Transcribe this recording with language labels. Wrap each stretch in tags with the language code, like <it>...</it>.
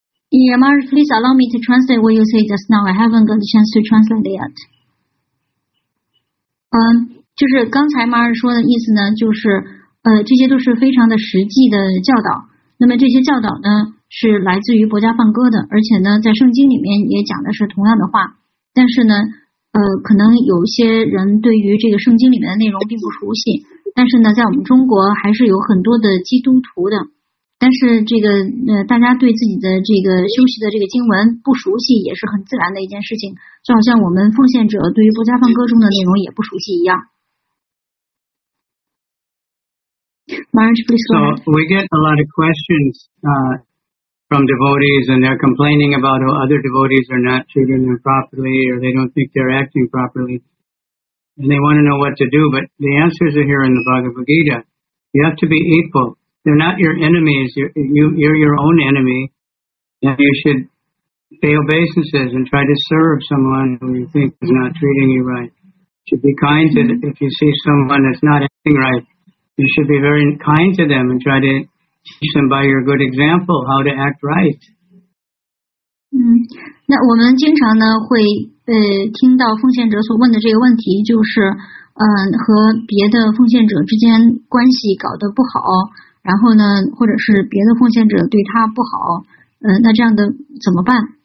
<en>Yeah, Maharaj, please allow me to translate what you say just now. I haven't got the chance to translate it yet.</en> <zh>就是刚才马尔说的意思呢，就是这些都是非常的实际的教导。那么这些教导呢，是来自于薄伽梵歌的，而且呢，在圣经里面也讲的是同样的话。但是呢，可能有些人对于这个圣经里面的内容并不熟悉。但是呢，在我们中国还是有很多的基督徒的，但是这个大家对自己的这个休息的这个经文不熟悉，也是很自然的一件事情。就好像我们奉献者对于薄伽梵歌中的内容也不熟悉一样。</zh> <en>So we get a lot of questions from devotees, and they're complaining about how other devotees are not treating them properly, or they don't think they're acting properly, and they want to know what to do. But the answers are here in the Bhagavad Gita. You have to be equal. They're not your enemies. You're your own enemy, and you should pay obeisances and try to serve someone who you think is not treating you right. You should be kind to if you see someone that's not acting right. You should be very kind to them and try to teach them by your good example how to act right.</en> <zh>那我们经常呢会听到奉献者所问的这个问题，就是和别的奉献者之间关系搞得不好，然后呢或者是别的奉献者对他不好，那这样的怎么办？</zh>